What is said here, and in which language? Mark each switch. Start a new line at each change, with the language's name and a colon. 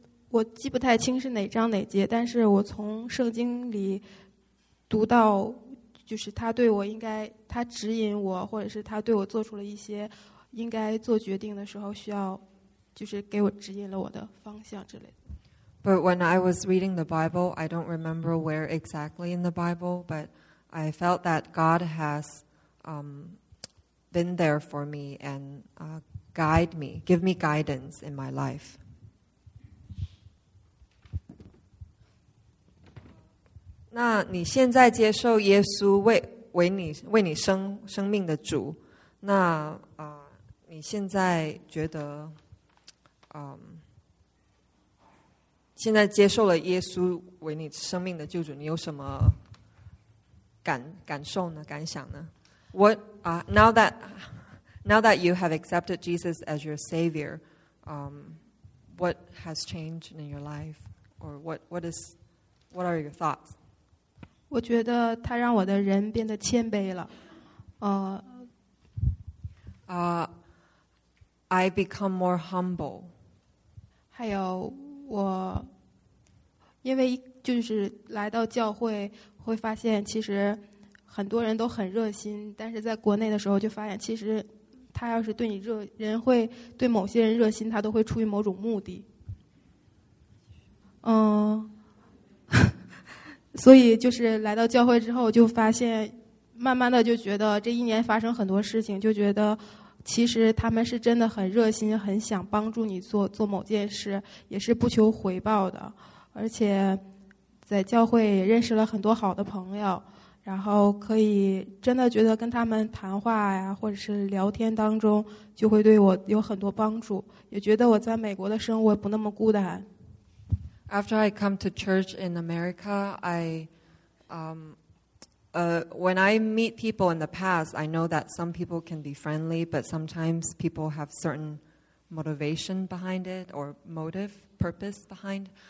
Chinese: 我记不太清是哪章哪节，但是我从圣经里读到，就是他对我应该，他指引我，或者是他对我做出了一些应该做决定的时候需要，就是给我指引了我的方向之类的。
English: But when I was reading the Bible, I don't remember where exactly in the Bible, but I felt that God has been there for me and guide me, give me guidance in my life.
Chinese: 那你现在接受耶稣为你生命的主，那啊、你现在觉得，现在接受了耶稣为你生命的救主，你有什么感受呢？感想呢
English: ？What now that you have accepted Jesus as your Savior, what has changed in your life, or what are your thoughts?
Chinese: 我觉得他让我的人变得谦卑了。
English: I become more humble.
Chinese: 还有我，因为就是来到教会，会发现其实很多人都很热心，但是在国内的时候就发现，其实他要是对你热，人会对某些人热心，他都会出于某种目的。所以就是来到教会之后，就发现慢慢的就觉得这一年发生很多事情，就觉得其实他们是真的很热心，很想帮助你做某件事，也是不求回报的。而且在教会也认识了很多好的朋友，然后可以真的觉得跟他们谈话呀，或者是聊天当中，就会对我有很多帮助，也觉得我在美国的生活不那么孤单。
English: After I come to church in America, when I meet people in the past, I know that some people can be friendly, but sometimes people have certain motivation behind it or motive, purpose behind.